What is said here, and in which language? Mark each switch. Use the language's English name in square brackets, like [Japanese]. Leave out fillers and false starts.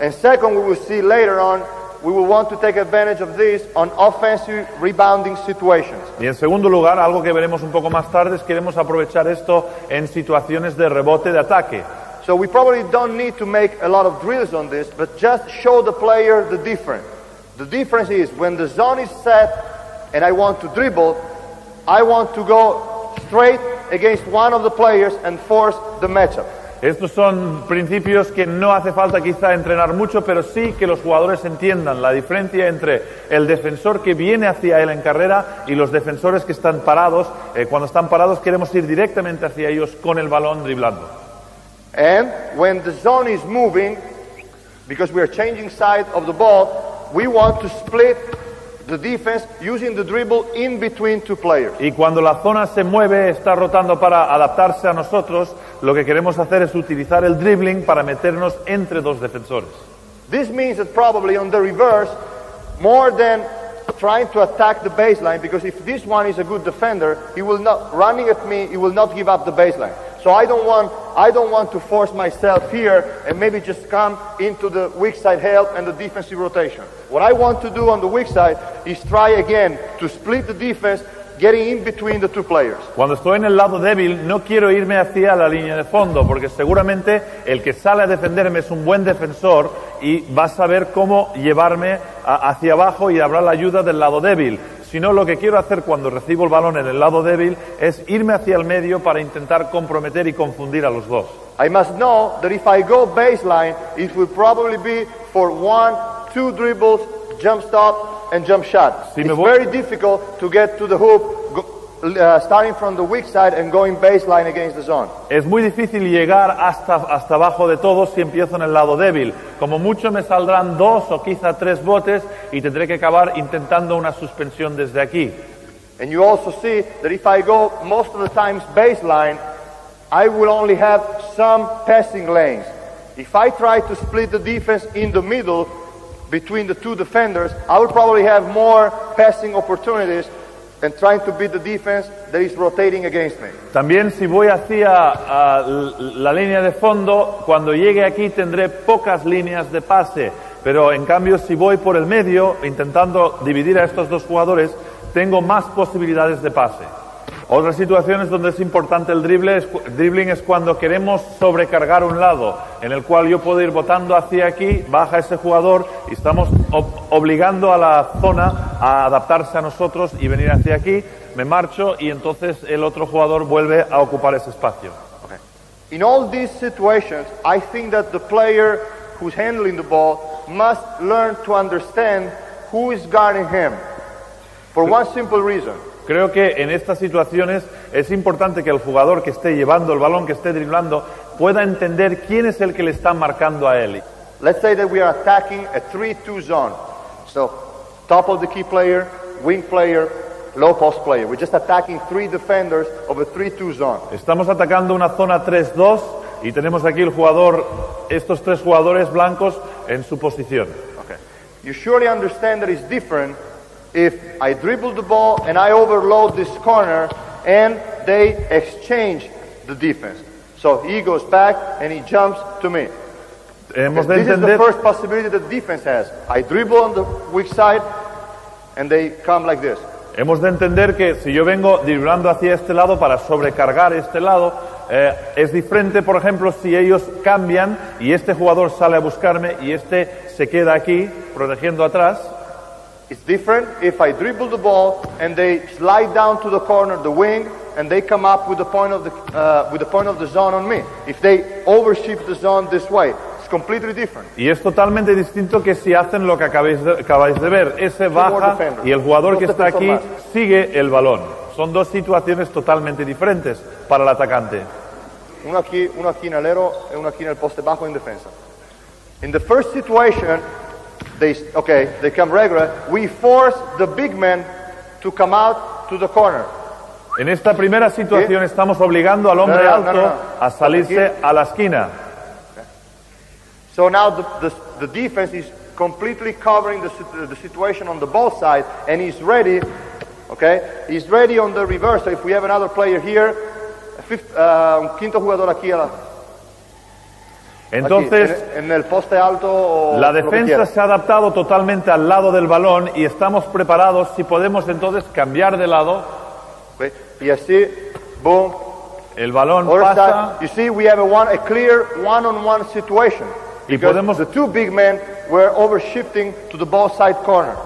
[English] And second, we will see later on, we will want to take advantage of this on offensive rebounding situations. [Spanish] Y en segundo lugar, algo que veremos un poco más tarde, es queremos aprovechar esto en situaciones de rebote de ataque. [English] So we probably don't need to make a lot of drills on this, but just show the player the difference. The difference is when the zone is set and I want to dribble, I want to go straight against one of the players and force the matchup. [Spanish] Estos son principios que no hace falta quizá entrenar mucho, pero sí que los jugadores entiendan la diferencia entre el defensor que viene hacia él en carrera y los defensores que están parados. Cuando están parados queremos ir directamente hacia ellos con el balón driblando. [English] And when the zone is moving, because we are changing side of the ball, we want to split the defense using the dribble in between two players. [Spanish] Y cuando la zona se mueve, está rotando para adaptarse a nosotros, lo que queremos hacer es utilizar el dribbling para meternos entre dos defensores. [English] This means that probably on the reverse, more than trying to attack the baseline, because if this one is a good defender, he will not running at me, he will not give up the baseline. So I don't want to force myself here and maybe just come into the weak side help and the defensive rotation. What I want to do on the weak side is try again to split the defense, getting in between the two players. [Spanish] Cuando estoy en el lado débil, no quiero irme hacia la línea de fondo, porque seguramente el que sale a defenderme es un buen defensor y va a saber cómo llevarme hacia abajo y habrá la ayuda del lado débil. Sino lo que quiero hacer cuando recibo el balón en el lado débil es irme hacia el medio para intentar comprometer y confundir a los dos. [English] I must know that if I go baseline, it will probably be for 1-2 dribbles, jump stop and jump shot. It's very difficult to get to the hoop starting from the weak side and going baseline against the zone. [Spanish] Es muy difícil llegar hasta abajo de todos si empiezo en el lado débil. Como mucho me saldrán 2 o quizá 3 botes y tendré que acabar intentando una suspensión desde aquí. [English] And you also see that if I go most of the times baseline, I will only have some passing lanes. If I try to split the defense in the middle between the two defenders, I will probably have more passing opportunities and trying to beat the defense that is rotating against me. [Spanish] También si voy hacia la línea de fondo, cuando llegue aquí tendré pocas líneas de pase, pero en cambio si voy por el medio intentando dividir a estos dos jugadores, tengo más posibilidades de pase. Otras situaciones donde es importante el drible es, dribbling es cuando queremos sobrecargar un lado, en el cual yo puedo ir botando hacia aquí, baja ese jugador y estamos obligando a la zona a adaptarse a nosotros y venir hacia aquí, me marcho y entonces el otro jugador vuelve a ocupar ese espacio. [English] In all these situations, I think that the player who's handling the ball must learn to understand who is guarding him. For one simple reason. [Spanish] Creo que en estas situaciones es importante que el jugador que esté llevando el balón, que esté driblando, pueda entender quién es el que le está marcando a él. [English] Let's say that we are attacking a 3-2 zone. So, top of the key player, wing player, low post player. We're just attacking three defenders of a 3-2 zone. [Spanish] Estamos atacando una zona 3-2 y tenemos aquí el jugador, estos tres jugadores blancos en su posición. [English] Okay. You surely understand that it's different if I dribble the ball and I overload this corner and they exchange the defense. So he goes back and he jumps to me. [Spanish] Hemos de entender... [English] This is the first possibility that defense has. I dribble on the weak side and they come like this. [Spanish] Hemos de entender que si yo vengo driblando hacia este lado para sobrecargar este lado, es diferente, por ejemplo, si ellos cambian y este jugador sale a buscarme y este se queda aquí protegiendo atrás. [English] It's different if I dribble the ball and they slide down to the corner, the wing, and they come up with the point of the zone on me. If they overshift the zone this way, it's completely different. [Spanish] Y es totalmente distinto que si hacen lo que acabáis de ver. Ese baja y el jugador que está aquí sigue el balón. Son dos situaciones totalmente diferentes para el atacante. Uno aquí en alero y uno aquí en el poste bajo en defensa. [English] In the first situation, they come regular. We force the big man to come out to the corner. [Spanish] En esta primera situación okay. Estamos obligando al hombre alto. A salirse a la esquina. [English] Okay. So now the defense is completely covering the situation on the ball side and he's ready. Okay, he's ready on the reverse. So if we have another player here, [Spanish] un quinto jugador aquí. Entonces, aquí, en el poste alto, la defensa se ha adaptado totalmente al lado del balón y estamos preparados si podemos entonces cambiar de lado. Okay. Y así, boom. El balón or pasa. [English] That, you see, we have a clear one-on-one situation. [Spanish] Y podemos, [English] the two big men were overshifting to the ball side corner.